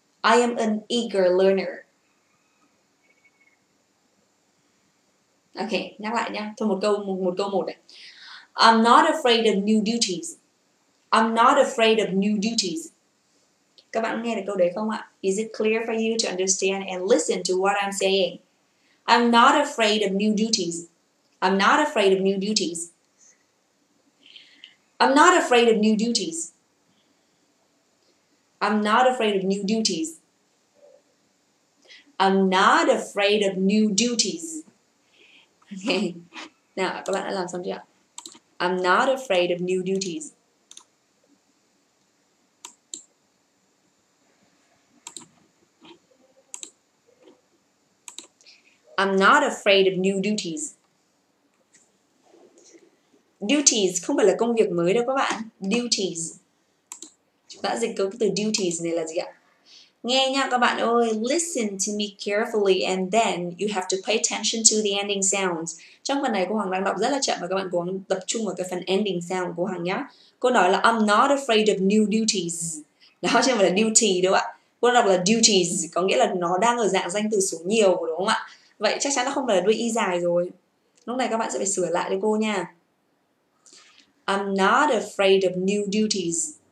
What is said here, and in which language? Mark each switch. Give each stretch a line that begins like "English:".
English: I am an eager learner.
Vietnamese: Ok, nhắc lại nha. Thôi một câu một này.
English: I'm not afraid of new duties. I'm not afraid of new duties.
Vietnamese: Các bạn nghe được câu đấy không ạ?
English: Is it clear for you to understand and listen to what I'm saying? I'm not afraid of new duties. I'm not afraid of new duties. I'm not afraid of new duties. I'm not afraid of new duties. I'm not afraid of new duties. Okay. Nào, các bạn đã làm xong chưa? I'm not afraid of new duties. I'm not afraid of new duties.
Vietnamese: Duties không phải là công việc mới đâu các bạn. Duties. Chúng ta dịch câu từ duties này là gì ạ? Nghe nha các bạn ơi,
English: listen to me carefully and then you have to pay attention to the ending sounds.
Vietnamese: Trong phần này cô Hằng đang đọc rất là chậm và các bạn cố gắng tập trung vào cái phần ending sound của Hằng nhá. Cô nói là
English: I'm not afraid of new duties.
Vietnamese: Đó chứ không phải là duty đâu ạ. Cô đọc là duties, có nghĩa là nó đang ở dạng danh từ số nhiều đúng không ạ? Vậy chắc chắn nó không phải là đuôi y dài rồi. Lúc này các bạn sẽ phải sửa lại cho cô nha.
English: I'm not afraid of new duties.